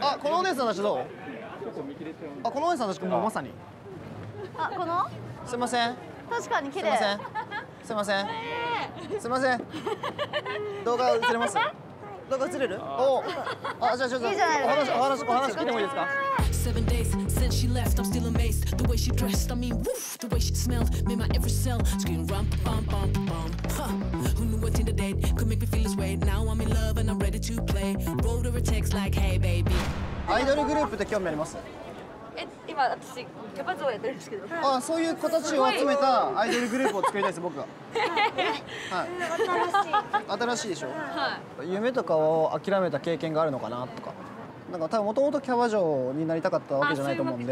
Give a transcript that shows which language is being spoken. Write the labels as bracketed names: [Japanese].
[Japanese] あ、このお姉さんたちどう？あ、このお姉さんたちもうまさに。あ、このすいません。確かに綺麗。すいませんすいませんすいません。動画映れます？動画映れる？おお。あ、じゃあちょっといいじゃないですか。お話聞いてもいいですか？ [English] 7 days since she left, I'm still amazed. The way she dressed, I mean, woof, the way she smelled, made my every cell scream, rum, bum, bum, bum. Huh, who knew what Tinder date could make me feel this way? Now I'm in love and I'm ready to play. Wrote her a text like, hey, baby. [Japanese] アイドルグループって興味あります？今私キャパ像やってるんですけど、はい、あ、そういう子たちを集めたアイドルグループを作りたいです僕は。新しい新しいでしょ、はい、夢とかを諦めた経験があるのかなとか、なんか多分もともとキャバ嬢になりたかったわけじゃないと思うんで。